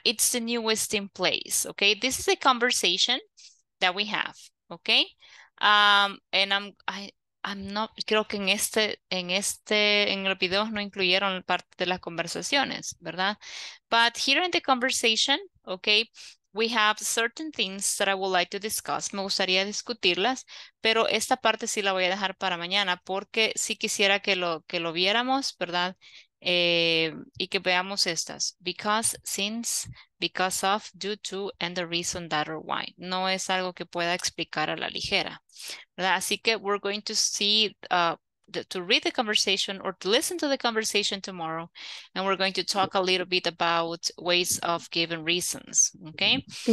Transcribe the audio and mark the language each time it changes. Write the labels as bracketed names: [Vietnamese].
[English] It's the newest in place, okay? This is a conversation that we have, okay? And I'm not, [Spanish] creo que en el video no incluyeron parte de las conversaciones, ¿verdad? [English] But here in the conversation, [Spanish] okay, [English] We have certain things that I would like to discuss. [Spanish] Me gustaría discutirlas, pero esta parte sí la voy a dejar para mañana porque sí quisiera que lo viéramos, ¿verdad? Y que veamos estas. [English] Because, since, because of, due to, and the reason that or why. [Spanish] No es algo que pueda explicar a la ligera, ¿verdad? Así que [English] we're going to see, to read the conversation or to listen to the conversation tomorrow, and we're going to talk a little bit about ways of giving reasons, okay?